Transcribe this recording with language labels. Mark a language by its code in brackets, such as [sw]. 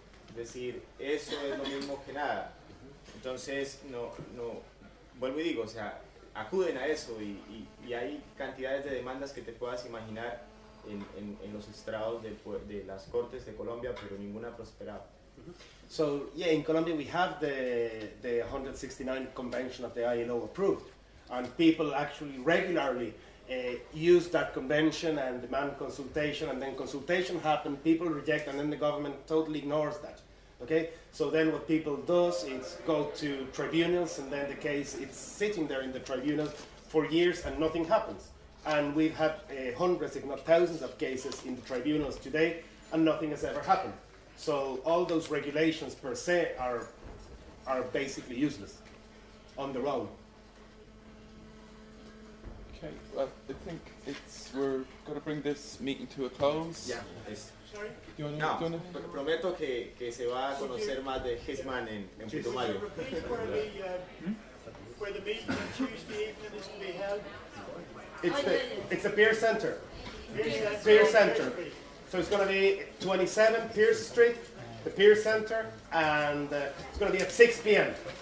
[es] Es decir, eso es lo mismo que nada. Entonces, vuelvo y digo, o sea, acuden a eso y hay cantidades de demandas que te puedas imaginar en los estrados de las Cortes de Colombia, pero ninguna ha prosperado. [en] So, yeah, in Colombia we have the 169 convention of the ILO approved. And people actually regularly use that convention and demand consultation, and then consultation happens, people reject, and then the government totally ignores that. Okay? So then what people do is go to tribunals, and then the case is sitting there in the tribunals for years and nothing happens. And we've had hundreds, if not thousands, of cases in the tribunals today, and nothing has ever happened. So all those regulations per se are basically useless on their own. Well, I think we're going to bring this meeting to a close. Yeah. Sorry? [es] Prometo que se va a conocer más de Caseman en Putumayo. [en] Can you repeat where the meeting on Tuesday evening is to be held? It's a peer center. Peer center. So it's going to be 27 Pierce Street, the peer center, and it's going to be at 6 p.m.